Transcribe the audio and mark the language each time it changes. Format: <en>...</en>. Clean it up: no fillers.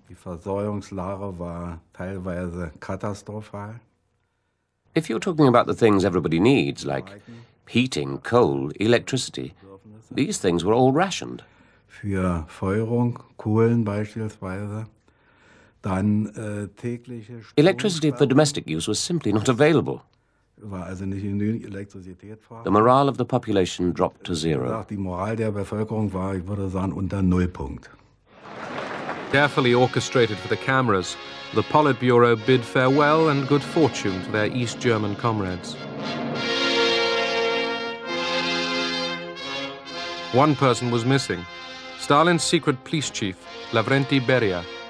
<en>If you're talking about the things everybody needs, like heating, coal, electricity, these things were all rationed.</en> <de>Für Feuerung, Kohlen beispielsweise, dann tägliche</de> <en>Electricity for domestic use was simply not available.</en> <de>War also nicht in die Elektrizität vorhanden.</de> <en>The morale of the population dropped to zero.</en> <de>Die Moral der Bevölkerung war, ich würde sagen, unter Nullpunkt.</de> <en>Carefully orchestrated for the cameras, the Politburo bid farewell and good fortune to their East German comrades. One person was missing. Stalin's secret police chief, Lavrenty Beria.</en>